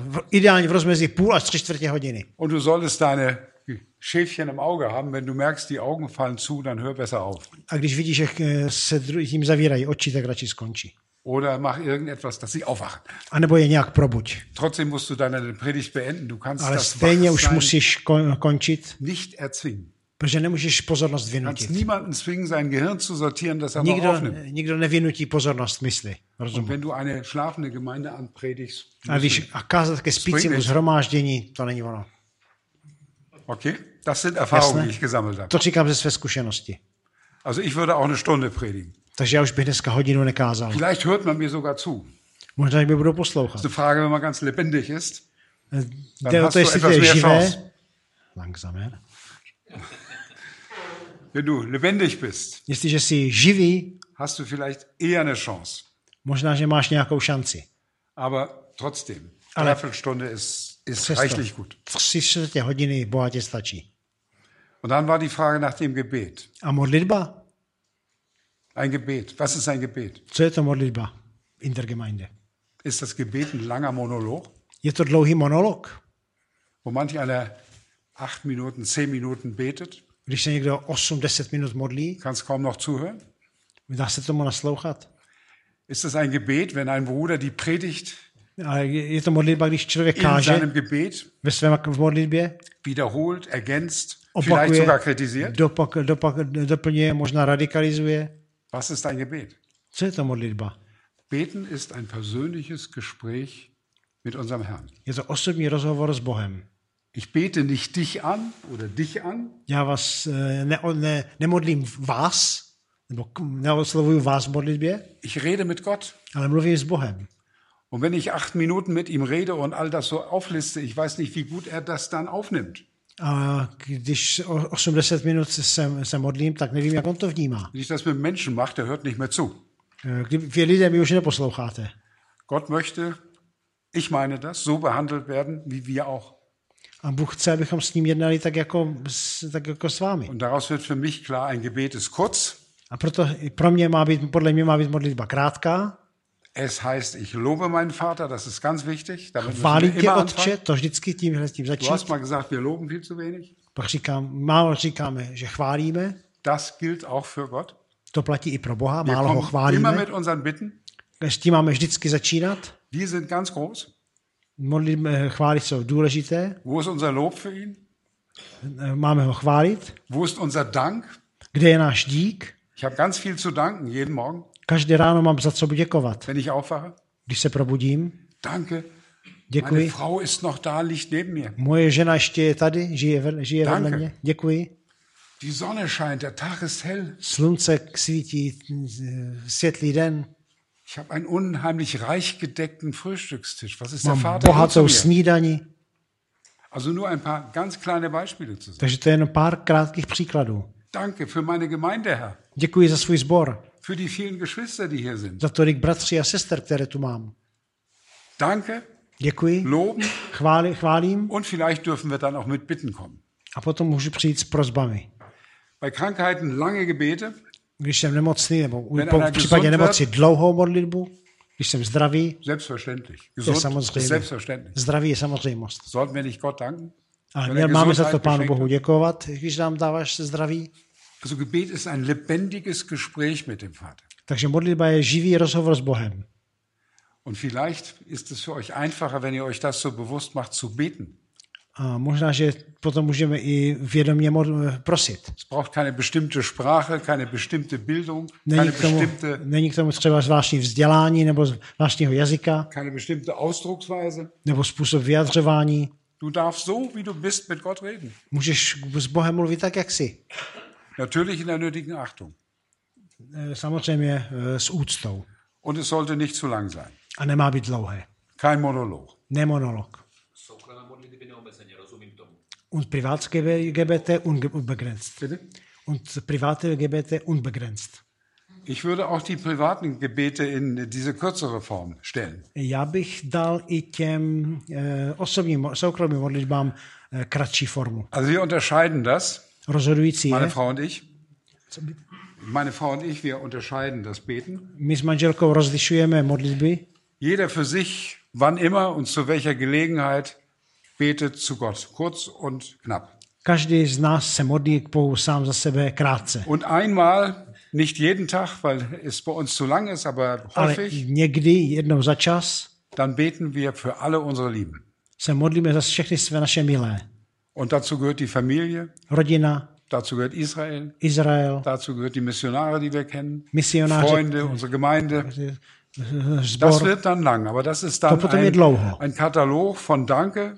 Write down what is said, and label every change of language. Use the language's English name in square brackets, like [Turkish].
[Czech] Ideálně v rozmezí půl až tři čtvrtě hodiny. [German] Und du solltest deine Schäfchen im Auge haben, wenn du merkst, die Augen fallen zu, dann hör besser auf. [Czech] A když vidíš, že se jim zavírají oči, tak radši skončí. [German] Oder mach irgendetwas, dass sie aufwachen. [Czech] A nebo je nějak probuď. [German] Trotzdem musst du deine Predigt beenden. Du kannst [Czech] ale [German] das [Czech] stejně už musíš končit. [German] Nicht erzwingen. [Czech] Protože nemůžeš pozornost vynutit. [German] Kannst niemanden zwingen, sein Gehirn zu sortieren, das aber [Czech] nikdo, [German] aufnimmt. [Czech] Nikdo nevynutí pozornost mysli. Rozumím. [German] Und wenn du eine schlafende Gemeinde anpredigst, [Czech] a kázat ke spícímu zhromáždění, to není ono. [German] Okay, das sind Erfahrungen, [Czech] jasné? [German] Die ich gesammelt habe. [Czech] To říkám ze své zkušenosti. [German] Also ich würde auch eine Stunde predigen. [Czech] Takže já už bych dneska hodinu nekázal. [German] Vielleicht hört man mir sogar zu. [Czech] Možná mi budou poslouchat. [German] Die Frage, wenn man ganz lebendig ist. Dann hast du etwas mehr Chance. Langsamer. Wenn du lebendig bist. [Czech] Jestliže jsi živý, [German] hast du vielleicht eher eine Chance. [Czech] Možná že máš nějakou šanci. [German] Aber trotzdem. Eine Viertelstunde ist reichlich gut. [Czech] Tři čtvrtě hodiny bohatě stačí. [German] Und dann war die Frage nach dem Gebet. [Czech] A modlitba? [German] Ein Gebet. Was ist ein Gebet? [Czech] Co je to modlitba [German] in der Gemeinde? Ist das Gebet ein langer Monolog? [Czech] Je to dlouhý monolog? [German] Wo manch einer 8 Minuten, 10 Minuten betet? [Czech] Když se někdo 8-10 minut modlí? [German] Kannst kaum noch zuhören? [Czech] Dá se tomu naslouchat? [German] Ist das ein Gebet, wenn ein Bruder die Predigt? [Czech] Je to modlitba, když člověk káže? [German] In seinem Gebet? [Czech] Ve svém modlitbě? [German] Wiederholt, ergänzt, [Czech] opakuje, [German] vielleicht sogar kritisiert? [Czech] Doplňuje, možná radikalizuje? [German] Was ist dein Gebet? [Czech] Co je to modlitba? [German] Beten ist ein persönliches Gespräch mit unserem Herrn. [Czech] Je to osobní rozhovor s Bohem. [German] Ich bete nicht dich an oder dich an. [Czech] Já vás nemodlím vás, nebo neoslovuju vás v modlitbě. [German] Ich rede mit Gott. [Czech] Ale mluvím s Bohem. [German] Und wenn ich 8 Minuten mit ihm rede und all das so aufliste, ich weiß nicht, wie gut er das dann aufnimmt. [Czech] A když 80 minut se modlím, tak nevím, jak on to vnímá. Když [German] das mit Menschen macht, der hört nicht mehr zu. [Czech] Vy lidé mi už neposloucháte. [German] Gott möchte, ich meine das, so behandelt werden, wie wir auch. [Czech] A Bůh chce, abychom s ním jednali tak jako s vámi. [German] Und daraus wird für mich klar, ein Gebet ist kurz. [Czech] A proto podle mě má být modlitba krátká. [German] Es heißt, ich lobe meinen Vater, das ist ganz wichtig. [Czech] Chválí tě, Otče, to vždycky tím začít. [German] Du hast mal gesagt, wir loben viel zu wenig. [Czech] Pak říkám, málo říkáme, že chválíme. [German] Das gilt auch für Gott. [Czech] To platí i pro Boha, málo ho chválíme. [German] Immer mit unseren Bitten. [Czech] S tím máme vždycky začínat. [German] Die sind ganz groß. [Czech] Chvály jsou důležité. [German] Wo ist unser Lob für ihn? [Czech] Máme ho chválit. [German] Wo ist unser Dank? [Czech] Kde je náš dík? [German] Ich habe ganz viel zu danken, jeden Morgen. [Czech] Každé ráno mám za co děkovat. [German] Wenn ich aufwache, [Czech] když se probudím. [German] Danke. [Czech] Děkuji. [German] Meine Frau ist noch da, liegt neben mir. [Czech] Moje žena ještě je tady, žije vedle mě. Děkuji. [German] Die Sonne scheint, der Tag ist hell. [Czech] Slunce svítí, světlý den. [German] Ich habe einen unheimlich reich gedeckten Frühstückstisch. Was ist [Czech] mám [German] der Vater? [Czech] Mám bohatou snídani. [German] Also nur ein paar ganz kleine Beispiele zu sagen. [Czech] Takže to je jen pár krátkých příkladů. [German] Danke für meine Gemeinde, Herr. [Czech] Děkuji za svůj sbor. [German] Für die vielen Geschwister, die hier sind. [Czech] Za tolik bratří a sester, které tu mám. [German] Danke. [Czech] Děkuji. [German] Loben. [Czech] Chválím. [German] Und vielleicht dürfen wir dann auch mit Bitten kommen. [Czech] A potom můžu přijít s prosbami. [German] Bei Krankheiten lange Gebete. [Czech] Když jsem nemocný, nebo v případě nemoci dlouhou modlitbu. Když jsem zdravý. [German] Selbstverständlich. Gesund, [Czech] samozřejmě. [German] Selbstverständlich. [Czech] Zdraví je samozřejmost. [German] Sollten wir nicht Gott danken? [Czech] Ale máme za to Pánu Bohu děkovat, když nám dáváš zdraví. [German] Also Gebet ist ein lebendiges Gespräch mit dem Vater. [Czech] Takže modlitba je živý rozhovor s Bohem. [German] Und vielleicht ist es für euch einfacher, wenn ihr euch das so bewusst macht, zu beten. [Czech] A možná, že potom můžeme i vědomě prosit. [German] Es braucht keine bestimmte Sprache, keine bestimmte Bildung, keine bestimmte... [Czech] Není k tomu třeba zvláštní vzdělání nebo zvláštního jazyka. [German] Keine bestimmte Ausdrucksweise. [Czech] Nebo způsob vyjadřování. [German] Du darfst so, wie du bist, mit Gott reden. [Czech] Můžeš s Bohem mluvit tak, jak jsi. [German] Natürlich in der nötigen Achtung. [Czech] Samozřejmě s úctou. [German] Und es sollte nicht zu lang sein. [Czech] A nemá být dlouhé. [German] Kein Monolog. [Czech] Ne monolog. [German] Und private Gebete unbegrenzt. Bitte? Und private Gebete unbegrenzt. Ich würde auch die privaten Gebete in diese kürzere Form stellen. [Czech] Já bych dal i těm osobním soukromým modlitbám kratší formu. [German] Also wir unterscheiden das. [Czech] Rozhodující [German] meine Frau und ich. Meine Frau und ich, wir unterscheiden das Beten. [Czech] My s manželkou rozlišujeme modlitby. [German] Jeder für sich, wann immer und zu welcher Gelegenheit betet zu Gott, kurz und knapp. [Czech] Každý z nás se modlí k Bohu sám za sebe krátce. [German] Und einmal, nicht jeden Tag, weil es bei uns zu lang ist, aber [Czech] ale [German] häufig. [Czech] Ale někdy, jednou za čas. [German] Dann beten wir für alle unsere Lieben. [Czech] Se modlíme za všechny své naše milé. [German] Und dazu gehört die Familie. [Czech] Rodina. [German] Dazu gehört Israel. [Czech] Israel. [German] Dazu gehört die Missionare, die wir kennen. [Czech] Misionáři. [German] Freunde, unsere Gemeinde. [Czech] Zbor. [German] Das wird dann lang, aber das ist dann ein Katalog von Danke